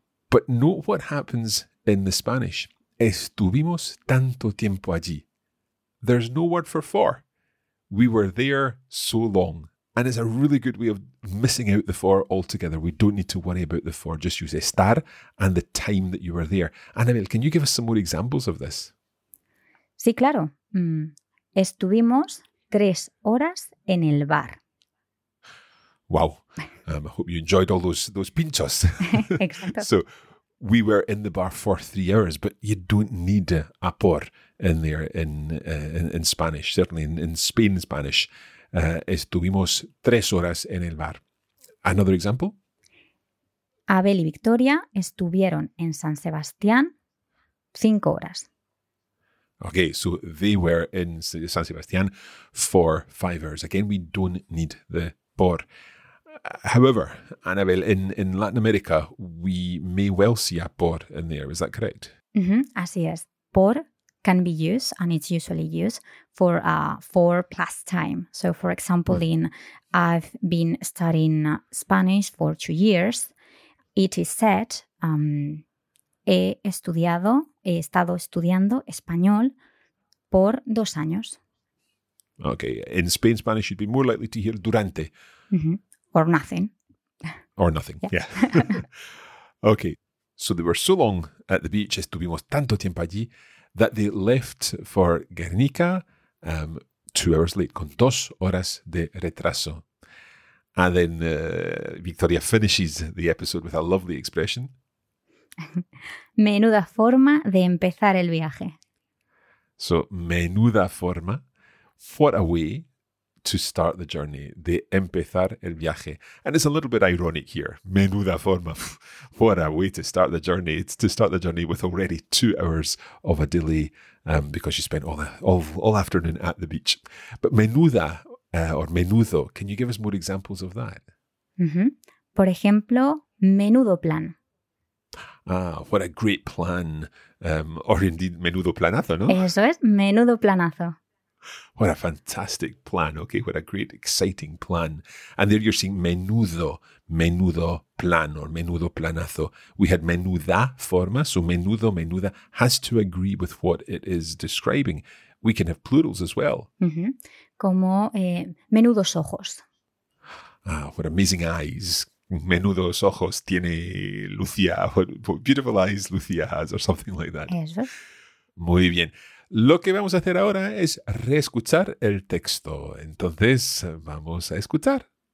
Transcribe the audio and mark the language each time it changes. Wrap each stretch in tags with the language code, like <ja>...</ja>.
<en>But note what happens in the Spanish.</en> <es>Estuvimos tanto tiempo allí.</es> <en>There's no word for. We were there so long. And it's a really good way of missing out the for altogether. We don't need to worry about the for. Just use estar and the time that you were there. Anabel, can you give us some more examples of this?</en> <es>Sí, claro. Estuvimos 3 horas en el bar.</es> <en>Wow. I hope you enjoyed all those pinchos.</en> <es>Exacto.</es> <en>So we were in the bar for 3 hours, but you don't need a por in there in Spanish, certainly in Spain Spanish.</en> <es>Estuvimos 3 horas en el bar.</es> <en>Another example?</en> <es>Abel y Victoria estuvieron en San Sebastián 5 horas.</es> <en>Okay, so they were in San Sebastián for 5 hours. Again, we don't need the por. However, Anabel, in Latin America, we may well see a por in there. Is that correct?</en> <es>Mm-hmm, así es.</es> <en>Por can be used, and it's usually used, for plus time. So, for example, I've been studying Spanish for 2 years. It is said,</en> <es>he estado estudiando español por 2 años.</es> <en>Okay. In Spain, Spanish, you'd be more likely to hear durante. Mm-hmm. Or nothing. Or nothing, yeah. Okay, so they were so long at the beach,</en> <es>estuvimos tanto tiempo allí,</es> <en>that they left for Guernica 2 hours late,</en> <es>con 2 horas de retraso.</es> <en>And then Victoria finishes the episode with a lovely expression.</en> <es>Menuda forma de empezar el viaje.</es> <en>So,</en> <es>menuda forma,</es> <en>what a way to start the journey,</en> <es>de empezar el viaje.</es> <en>And it's a little bit ironic here.</en> <es>Menuda forma.</es> <en>What a way to start the journey. It's to start the journey with already 2 hours of a delay because you spent all afternoon at the beach. But menuda or menudo, can you give us more examples of that? Mm-hmm.</en> <es>Por ejemplo, menudo plan.</es> <en>Ah, what a great plan. Or indeed,</en> <es>menudo planazo, ¿no? Eso es, menudo planazo.</es> <en>What a fantastic plan, okay? What a great, exciting plan. And there you're seeing menudo,</en> <es>menudo plan</es> <en>or</en> <es>menudo planazo.</es> <en>We had</en> <es>menuda forma,</es> <en>so menudo, menuda has to agree with what it is describing. We can have plurals as well.</en> <es>Mm-hmm. Como menudos ojos.</es> <en>Ah, what amazing eyes.</en> <es>Menudos ojos tiene Lucía.</es> <en>What beautiful eyes Lucía has or something like that.</en> <es>Eso. Muy bien. Lo que vamos a hacer ahora es reescuchar el texto. Entonces, vamos a escuchar.</es>